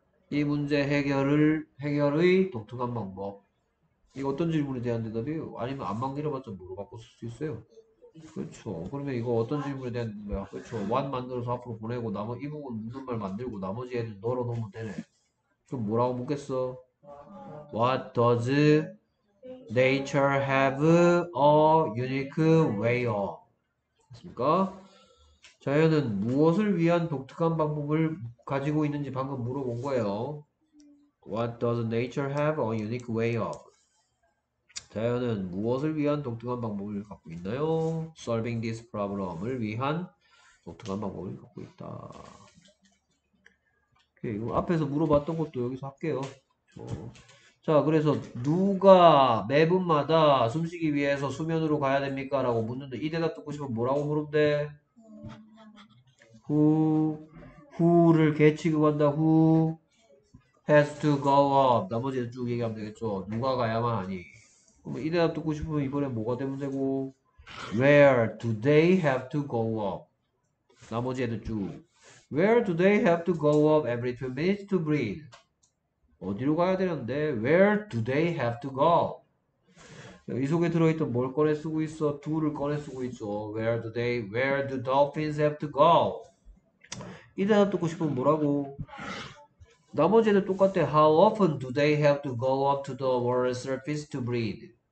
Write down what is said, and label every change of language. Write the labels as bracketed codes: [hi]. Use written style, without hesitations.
[ko] 이 문제 해결의 독특한 방법. 이거 어떤 질문에 대한 대답이에요? 아니면 안만 길어봤자 뭐로 바꿀 수도 있어요. 그렇죠. 그러면 이거 어떤 질문에 대한 거야? 그렇죠. 완 만들어서 앞으로 보내고 나머 이 부분 묻는 말 만들고 나머지 애들 널어 놓으면 되네. 그럼 뭐라고 묻겠어? [en] What does nature have a unique way of? [ko] 맞습니까? 자연은 무엇을 위한 독특한 방법을 가지고 있는지 방금 물어본 거예요. [en] What does nature have a unique way of? [ko] 자연은 무엇을 위한 독특한 방법을 갖고 있나요? [en] Solving this problem [ko] 을 위한 독특한 방법을 갖고 있다. 오케이, 앞에서 물어봤던 것도 여기서 할게요. 자, 그래서 누가 매분마다 숨쉬기 위해서 수면으로 가야 됩니까? 라고 묻는데 이 대답 듣고 싶으면 뭐라고 물어보대? Who를 개 취급한다. [en] Who has to go up. [ko] 나머지는 쭉 얘기하면 되겠죠. 누가 가야만 하니? 그럼 이 대답 듣고 싶으면 이번에 뭐가 되면 되고 [en] Where do they have to go up? [ko] 나머지 애들 쭉 [en] Where do they have to go up every 2 minutes to breathe? [ko] 어디로 가야 되는데 [en] Where do they have to go? [ko] 이 속에 들어있던 뭘 꺼내 쓰고 있어? Do를 꺼내 쓰고 있어 [en] Where do dolphins have to go? [ko] 이 대답 듣고 싶으면 뭐라고? 나머지 애들 똑같대 [en] How often do they have to go up to the water surface to breathe?